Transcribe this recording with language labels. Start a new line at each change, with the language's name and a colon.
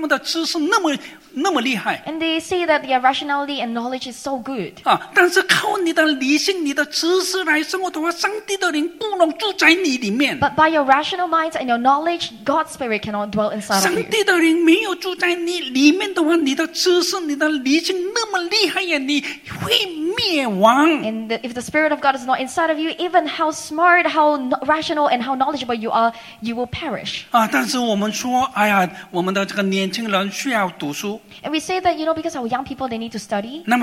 Chinese: 这里说他们是他们的理性他们的知识那么厉害
English: and they say that their rationality and knowledge is so good
Chinese: 啊, 但是靠你的理性你的知识来生活的话上帝的灵不能住在你里面
English: but by your rational minds and your knowledge God's spirit cannot dwell inside of you
Chinese: 上帝的灵没有住在你里面的话你的知识你的理性那么厉害呀, 你会灭亡
English: and the, if the spirit of God is not inside of you even how smart how rational and how knowledgeable you are you will perish
Chinese: 但是我们说，哎呀，我们的这个年轻人需要读书。
English: And we say that, you know, because our young people, they need to study.